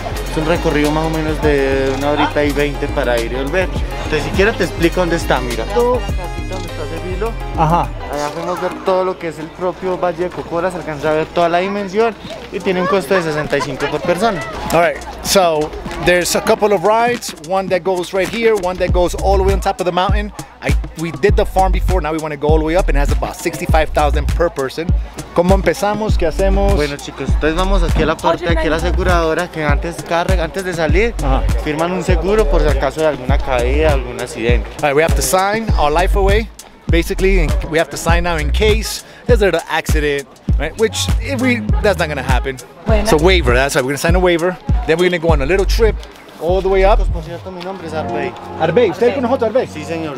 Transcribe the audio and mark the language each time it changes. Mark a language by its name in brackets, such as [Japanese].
[Spanish] Es un recorrido más o menos de 1 horita y 20 para ir y volver. Entonces, si quieres, te explico dónde está, mira. Todo. La casita donde está de Milo. Ajá. Allá podemos ver todo lo que es el propio Valle de Cocora, se alcanza a ver toda la dimensión y tiene un costo de 65 por persona. [English] All right, so there's a couple of rides, one that goes right here, one that goes all the way on top of the mountain. We did the farm before, now we want to go all the way up, and it has about 65,000 per person. [Spanish] ¿Cómo empezamos? ¿Qué hacemos? Bueno, chicos, entonces vamos aquí a la parte, aquí a la aseguradora, que antes de salir, firman un seguro por si acaso de alguna caída, algún accidente. [English] All right, we have to sign our life away. Basically, we have to sign now in case there's an accident, right? Which, that's not going to happen. [Spanish] Bueno. [English] So waiver, that's right. We're going to sign a waiver. Then we're going to go on a little trip all the way up. [Spanish] Por cierto, mi nombre es Arbey. Arbey, ¿usted con nosotros, Arbey? Sí, señor.